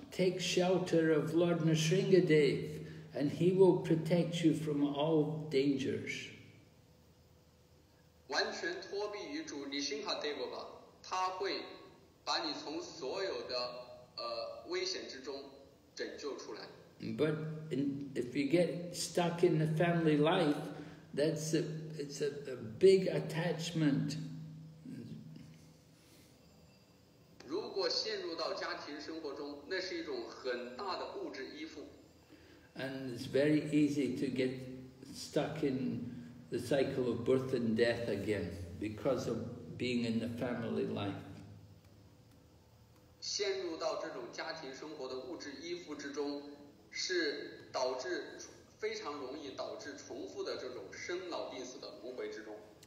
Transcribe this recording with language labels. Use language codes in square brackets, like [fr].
[en] Take shelter of Lord Nrsingadev, and he will protect you from all dangers. [zh] 完全托庇于主尼辛哈德吧，他会把你从所有的危险之中拯救出来。 [en] But if you get stuck in the family life, that's a big attachment. [zh] 如果陷入到家庭生活中，那是一种很大的物质依附。 [en] And it's very easy to get stuck in the cycle of birth and death again because of being in the family life. [zh] 陷入到这种家庭生活的物质依附之中，是导致非常容易导致重复的这种生老病死的轮回之中。